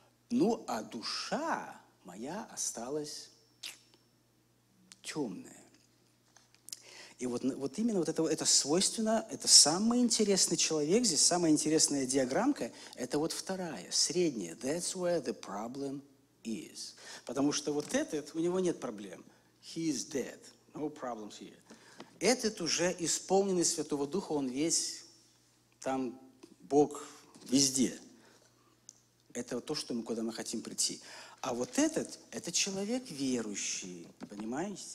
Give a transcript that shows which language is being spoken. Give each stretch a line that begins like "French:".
Russian: Ну, а душа моя осталась темная. И вот, вот именно вот это свойственно, это самый интересный человек, здесь самая интересная диаграммка, это вот вторая, средняя.
English: That's where the problem is.
Russian: Потому что вот этот, у него нет проблем.
English: He is dead. No problems here.
Russian: Этот уже исполненный Святого Духа, он весь там, Бог везде. Это то, что мы, куда мы хотим прийти. А вот этот, это человек верующий, понимаете?